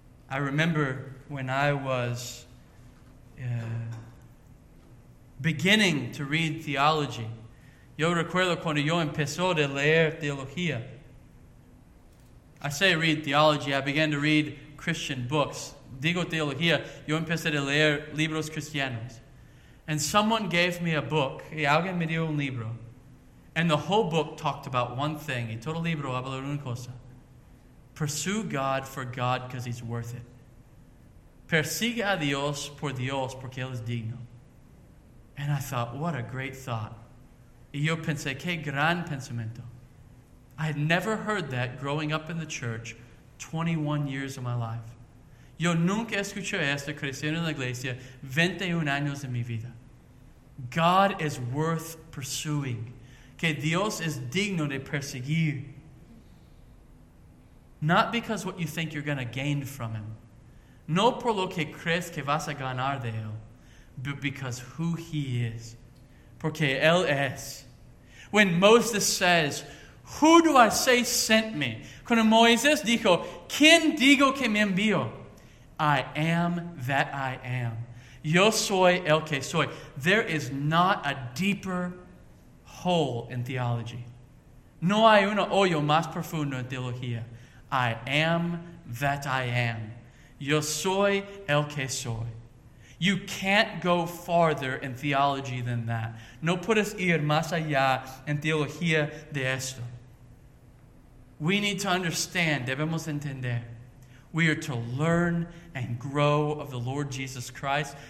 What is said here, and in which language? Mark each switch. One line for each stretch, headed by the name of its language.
English: I remember when I was beginning to read theology.
Spanish: Yo recuerdo cuando yo empezó de leer teología.
English: I say read theology, I began to read Christian books.
Spanish: Digo teología, yo empecé de leer libros cristianos.
English: And someone gave me a book,
Spanish: y alguien me dio un libro.
English: And the whole book talked about one thing.
Spanish: Y todo el libro habló de una cosa.
English: Pursue God for God because he's worth it.
Spanish: Persiga a Dios por Dios porque él es digno.
English: And I thought, what a great thought.
Spanish: Y yo pensé, qué gran pensamiento.
English: I had never heard that growing up in the church 21 years of my life.
Spanish: Yo nunca escuché esto creciendo en la iglesia 21 años de mi vida.
English: God is worth pursuing.
Spanish: Que Dios es digno de perseguir.
English: Not because what you think you're going to gain from him.
Spanish: No por lo que crees que vas a ganar de él.
English: But because who he is.
Spanish: Porque él es.
English: When Moses says, who do I say sent me?
Spanish: Cuando Moisés dijo, ¿quién digo que me envió?
English: I am that I am.
Spanish: Yo soy el que soy.
English: There is not a deeper hole in theology.
Spanish: No hay un hoyo más profundo en teología.
English: I am that I am.
Spanish: Yo soy el que soy.
English: You can't go farther in theology than that.
Spanish: No puedes ir más allá en teología de esto.
English: We need to understand,
Spanish: debemos entender.
English: We are to learn and grow of the Lord Jesus Christ.